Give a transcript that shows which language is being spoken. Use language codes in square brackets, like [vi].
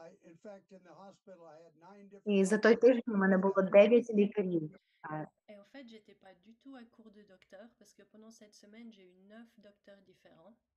[en] In fact, in the hospital, I had 9 different. [uk] І за той тиждень у мене було 9 лікарів. [fr] Et en fait, j'étais pas du tout à court de docteurs parce que pendant cette semaine, j'ai eu 9 docteurs différents.